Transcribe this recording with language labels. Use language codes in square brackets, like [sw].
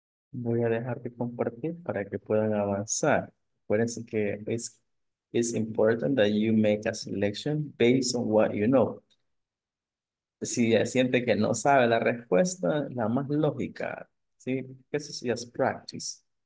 [es] Voy a dejar de compartir para que puedan avanzar. Acuérdense que es importante [en] that you make a selection based on what you know. [es] Si ya siente que no sabe la respuesta, la más lógica, ¿sí? Eso sí es practice.